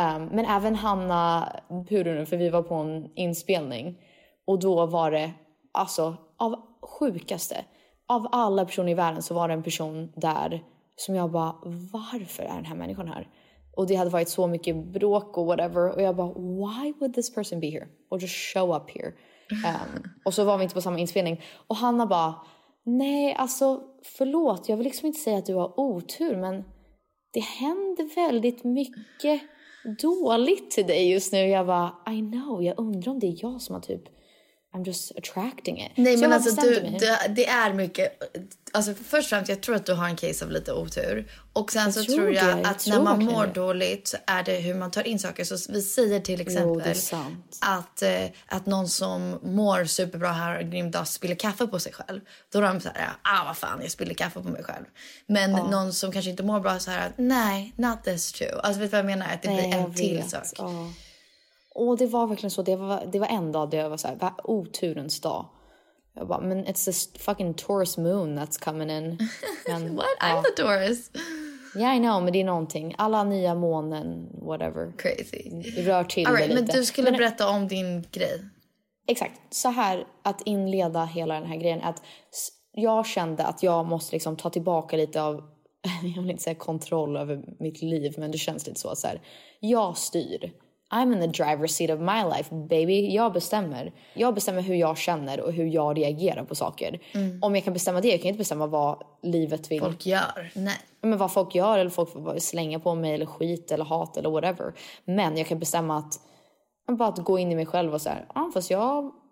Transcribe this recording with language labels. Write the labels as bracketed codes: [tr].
[sv] Men även Hanna Purunen, för vi var på en inspelning. Och då var det, alltså, av sjukaste. Av alla personer i världen så var det en person där som jag bara, varför är den här människan här? Och det hade varit så mycket bråk och whatever. [en] Och jag bara, why would this person be here? Or just show up here? [sv] Och så var vi inte på samma inspelning. Och Hanna bara, nej alltså förlåt, jag vill liksom inte säga att du har otur, men det händer väldigt mycket dåligt till dig just nu. Jag bara, [en] I know, [sv] jag undrar om det är jag som har typ, [en] I'm just attracting it. [sv] Nej, så men alltså du, det är mycket, alltså först och främst, jag tror att du har en case av lite otur. Och sen jag så tror jag det. Att jag när tror man mår det. Dåligt så är det hur man tar in saker. Så vi säger till exempel att någon som mår superbra här och grym dag spiller kaffe på sig själv. Då är de så här, vad fan, jag spiller kaffe på mig själv. Men någon som kanske inte mår bra så här, nej, [en] not this too. [sv] Alltså vet du vad jag menar? Att det blir en till sak. Och det var verkligen så, det var en dag där jag var så här, oturens dag. Jag bara, men [en] it's this fucking Taurus moon that's coming in. [sv] Men, [en] what? I'm the Taurus. Yeah, I know, [sv] men det är någonting. Alla nya månen, whatever. [en] Crazy. [sv] Rör till [en] all right, [sv] lite. Men du skulle berätta om din grej. Exakt. Så här, att inleda hela den här grejen. Att jag kände att jag måste liksom ta tillbaka lite av, jag vill inte säga kontroll över mitt liv, men det känns lite så här, jag styr. [en] I'm in the driver's seat of my life, baby. [sv] Jag bestämmer. Jag bestämmer hur jag känner och hur jag reagerar på saker. Mm. Om jag kan bestämma det, jag kan inte bestämma vad livet vill. Folk gör. Nej. Men vad folk gör eller folk slänger på mig eller skit eller hat eller whatever. Men jag kan bestämma att bara att gå in i mig själv och så här, fast jag